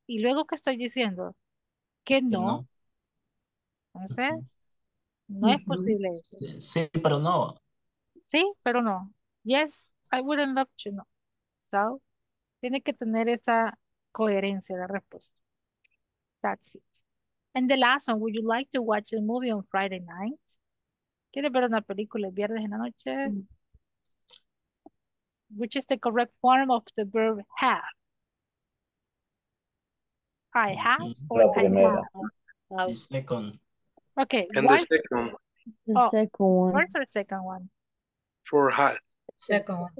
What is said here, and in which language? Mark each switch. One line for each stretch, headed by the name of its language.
Spanish: ¿Y luego qué estoy diciendo? Que no. Entonces, no es posible. Sí, pero no. Sí, pero no.
English: Yes, I wouldn't love to. No.
Spanish: So, tiene que tener esa coherencia la respuesta.
English: That's it. And the last one, would you like to watch a movie on Friday night?
Spanish: ¿Quieres ver una película el viernes en la noche?
English: Which is the correct form of the verb have? I have or I have? The second. Okay. And the second. The second one. First or second one? For have. Second one.